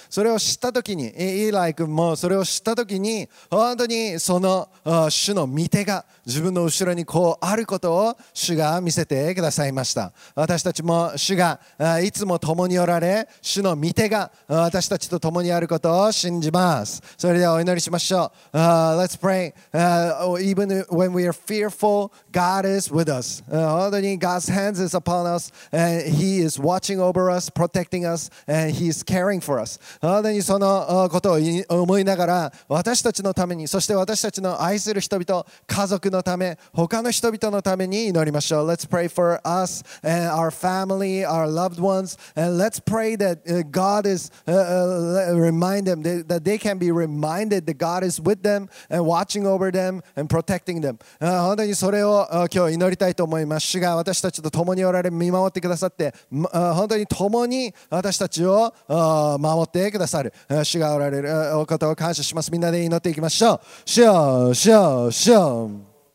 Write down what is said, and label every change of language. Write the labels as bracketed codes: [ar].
[ja] それを知った時に、イーライ君もそれを知った時に、本当にその主の御手が自分の後ろにこうあることを主が見せてくださいました。私たちも主がいつも共におられ、主の御手が私たちと共にあることを信じます。それではお祈りしましょう。 [en] Let's pray. Even when we are fearful, God is with us. God's hands is upon us, and He is watching over us, protecting us, and He is caring for us. [ja] そのことを思いながら、私たちのために、そして私たちの愛する人々、家族のため、他の人々のために祈りましょう。 [en] Let's pray for us and our family, our loved ones, and let's pray that God is remind them that they can be reminded that God is with them and watching. Over them and protecting them. [ja] 本当にそれを今日祈りたいと思います。主が私たちと共におられ、見守ってくださって、本当に共に私たちを守ってくださる主がおられる、おことを感謝します。みんなで祈っていきましょう。主よ、主よ、主よ。